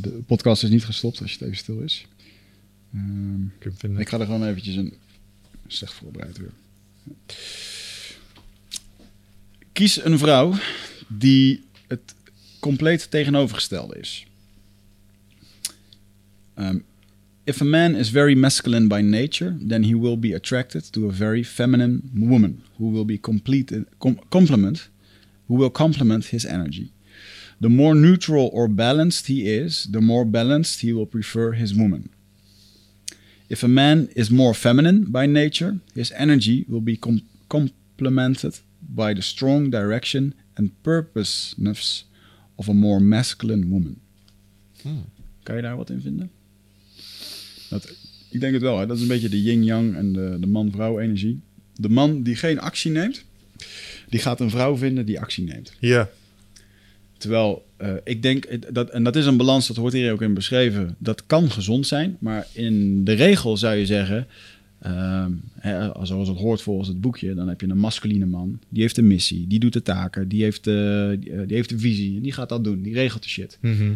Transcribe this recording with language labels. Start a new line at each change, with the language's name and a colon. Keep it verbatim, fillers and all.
Dutch: De podcast is niet gestopt als je het even stil is. Um, ik, ik ga er gewoon eventjes een Slecht voorbereid weer. Kies een vrouw die het compleet tegenovergestelde is.
English: Um, if a man is very masculine by nature, then he will be attracted to a very feminine woman who will be complete com- complement, who will complement his energy. The more neutral or balanced he is, the more balanced he will prefer his woman. If a man is more feminine by nature, his energy will be com- complemented by the strong direction and purposeness of a more masculine woman.
Dutch: Hmm. Kan je daar wat in vinden? Dat, ik denk het wel, hè? Dat is een beetje de yin-yang en de, de man-vrouw energie. De man die geen actie neemt, die gaat een vrouw vinden die actie neemt. Ja. Yeah. Terwijl, uh, ik denk, dat, en dat is een balans, dat wordt hier ook in beschreven, dat kan gezond zijn, maar in de regel zou je zeggen, uh, hè, zoals het hoort volgens het boekje, dan heb je een masculine man, die heeft een missie, die doet de taken, die heeft de, die heeft de visie, die gaat dat doen, die regelt de shit. Mm-hmm.